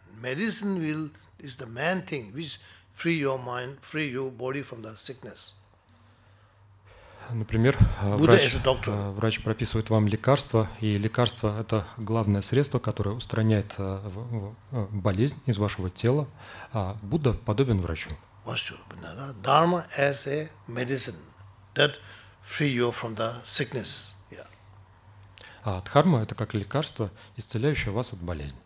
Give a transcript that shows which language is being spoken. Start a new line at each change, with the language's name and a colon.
English: Medicine will is the main thing which free your mind, free your body from the sickness.
Russian: Например, врач прописывает вам лекарство, и лекарство – это главное средство, которое устраняет болезнь из вашего тела. А Будда подобен врачу.
English: Dharma as a medicine that frees you from the sickness.
Russian: А дхарма – это как лекарство, исцеляющее вас от болезни.